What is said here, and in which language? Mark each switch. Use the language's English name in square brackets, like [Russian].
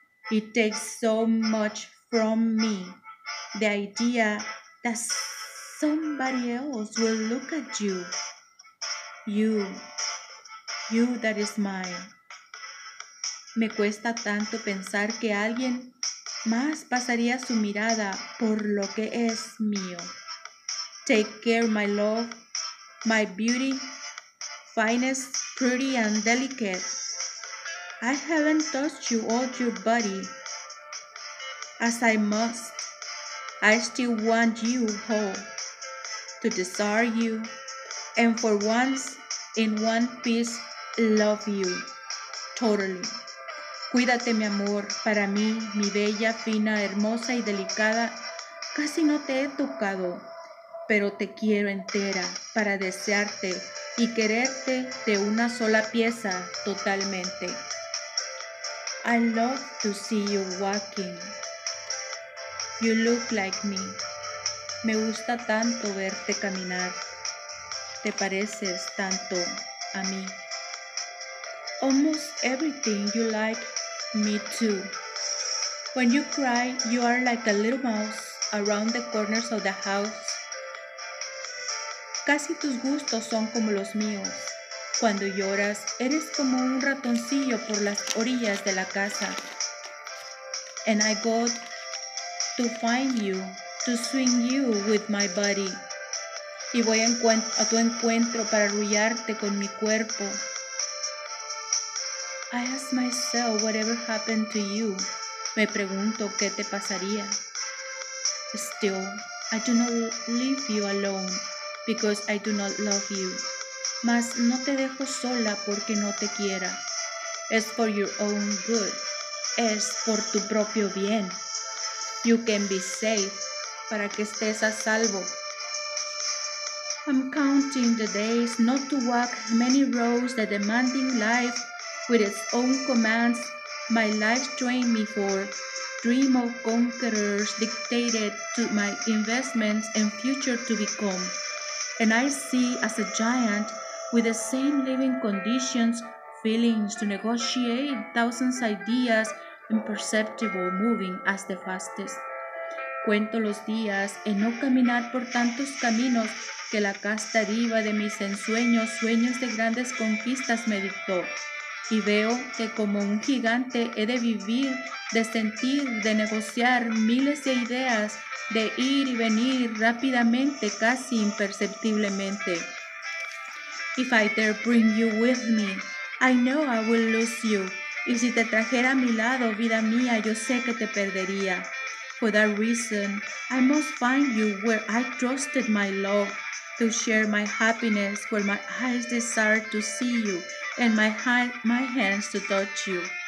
[English] It takes so much from me, the idea that somebody else will look at you. You that is mine. [Spanish] Me cuesta tanto pensar que alguien más pasaría su mirada por lo que es mío. [English] Take care, my love, my beauty, finest, pretty, and delicate. I haven't touched you or your body as I must. I still want you whole, to desire you, and for once in one piece, love you totally. [Spanish] Cuídate, mi amor, para mí, mi bella, fina, hermosa y delicada, casi no te he tocado, pero te quiero entera para desearte y quererte de una sola pieza totalmente. [English] I love to see you walking. You look like me. [Spanish] Me gusta tanto verte caminar. Te pareces tanto a mí. [English] Almost everything you like, me too. When you cry, you are like a little mouse around the corners of the house. [Spanish] Casi tus gustos son como los míos. Cuando lloras, eres como un ratoncillo por las orillas de la casa. [English] And I got to find you, to swing you with my body. [Spanish] Y voy a tu encuentro para arrullarte con mi cuerpo. [English] I ask myself whatever happened to you. [Spanish] Me pregunto qué te pasaría. [English] Still, I do not leave you alone because I do not love you. [Spanish] Mas no te dejo sola porque no te quiera. [English] It's for your own good. [Spanish] Es por tu propio bien. [English] You can be safe, [Spanish] para que estés a salvo. [English] I'm counting the days not to walk many roads, the demanding life with its own commands my life trained me for. Dream of conquerors dictated to my investments and future to become. And I see as a giant with the same living conditions, feelings to negotiate, thousands ideas imperceptible moving as the fastest. [Spanish] Cuento los días en no caminar por tantos caminos que la casta diva de mis ensueños, sueños de grandes conquistas me dictó. Y veo que como un gigante he de vivir, de sentir, de negociar miles de ideas, de ir y venir rápidamente, casi imperceptiblemente. [English] If I dare bring you with me, I know I will lose you. [Spanish] Y si te trajera a mi lado, vida mía, yo sé que te perdería. [English] For that reason, I must find you where I trusted my love, to share my happiness, where my eyes desire to see you, and my hands to touch you.